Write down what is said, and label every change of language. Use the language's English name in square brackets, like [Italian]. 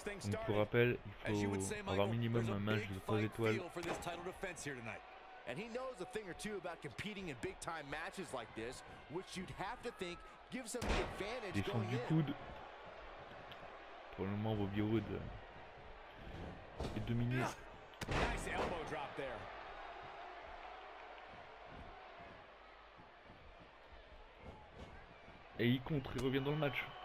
[French] Donc pour rappel, il faut avoir minimum un match de 3 étoiles. [English] And he knows a thing or two about competing in big time matches like this, which you'd have to think gives him the advantage going in. [French] Descend du coude, Pour le moment, Bobby Roode est dominé. [English] Nice elbow drop there. [French] Et il contre, il revient dans le match.